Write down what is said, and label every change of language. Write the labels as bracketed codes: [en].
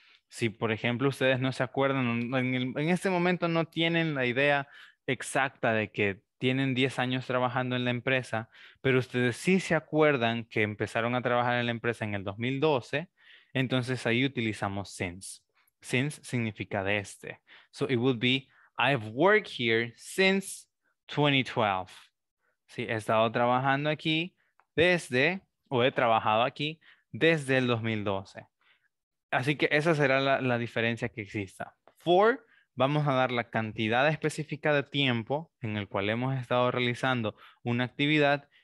[es] Si, por ejemplo, ustedes no se acuerdan, en este momento no tienen la idea exacta de que tienen 10 años trabajando en la empresa, pero ustedes sí se acuerdan que empezaron a trabajar en la empresa en el 2012, entonces ahí utilizamos since. Since significa desde. [en] So it would be, I've worked here since 2012. [es] Sí, he estado trabajando aquí desde, o he trabajado aquí desde el 2012. Así que esa será la diferencia que exista. For, vamos a dar la cantidad específica de tiempo en el cual hemos estado realizando una actividad.